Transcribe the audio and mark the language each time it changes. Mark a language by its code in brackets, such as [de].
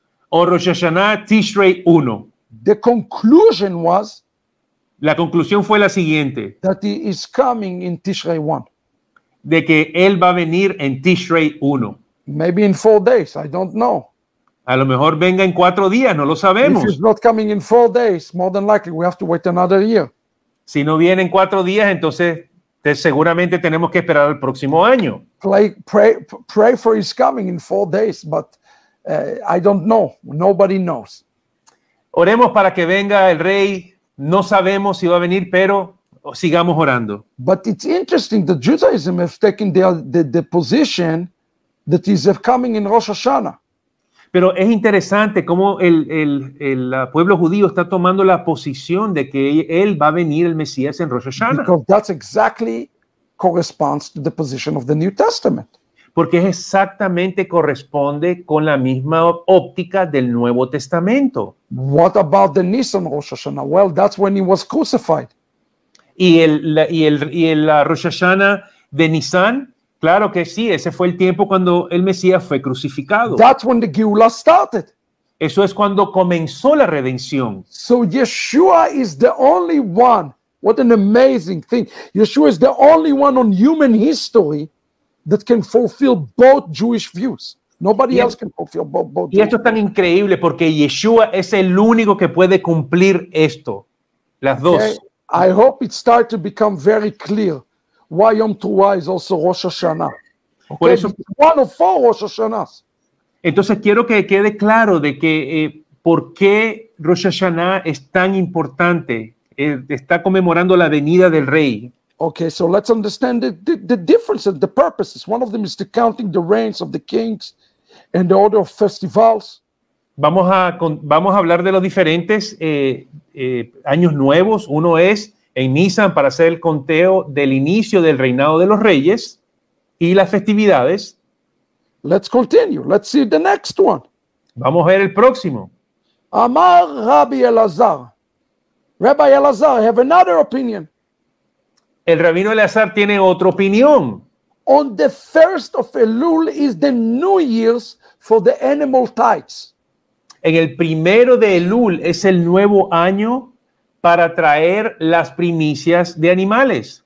[es] O Rosh Hashanah Tishrei 1. [en] The conclusion was, [es] la conclusión fue la siguiente. [en] That he is coming in Tishrei 1. [es] De que él va a venir en Tishrei 1. [en] Maybe in 4 days, I don't know. [es] A lo mejor venga en 4 días, no lo sabemos. [en] If he's not coming in 4 days, more than likely we have to wait another year. [es] Si no viene en 4 días, entonces seguramente tenemos que esperar al próximo año. [en] Pray for his coming in 4 days, but I don't know. Nobody knows. [es] Oremos para que venga el rey. No sabemos si va a venir, pero sigamos orando. [en] But it's interesting that Judaism has taken the position that is coming in Rosh Hashanah. [es] Pero es interesante cómo el pueblo judío está tomando la posición de que él va a venir el Mesías en Rosh Hashanah. [en] Because that's exactly corresponds to the position of the New Testament. [es] Porque es exactamente corresponde con la misma óptica del Nuevo Testamento. [en] What about the Nisan Rosh Hashanah? Well, that's when he was crucified. [es] Y la Rosh Hashanah de Nisan, claro que sí, ese fue el tiempo cuando el Mesías fue crucificado. [en] That's when the Geula started. [es] Eso es cuando comenzó la redención. [en] So Yeshua is the only one. What an amazing thing. Yeshua is the only one on human history that can fulfill both Jewish views. Nobody else can fulfill both. [es] Y esto es tan increíble porque Yeshua es el único que puede cumplir esto. Las dos. [en] I hope it starts to become very clear why Yom Teruah is also Rosh Hashanah. [es] Okay? Por eso, [en] one of four Rosh Hashanahs. [es] Entonces quiero que quede claro de que por qué Rosh Hashanah es tan importante. Está conmemorando la venida del rey. [en] Okay, so let's understand the difference and the purposes. One of them is the counting the reigns of the kings and the order of festivals. [es] Vamos a hablar de los diferentes años nuevos. Uno es en Nisan para hacer el conteo del inicio del reinado de los reyes y las festividades. [en] Let's continue. Let's see the next one. [es] Vamos a ver el próximo. [en] Amar Rabbi Elazar. Rabbi Elazar, I have another opinion. [es] El rabino Elazar tiene otra opinión. [en] On the first of Elul is the New Year's for the animal tithes. [es] En el primero de Elul es el nuevo año para traer las primicias de animales.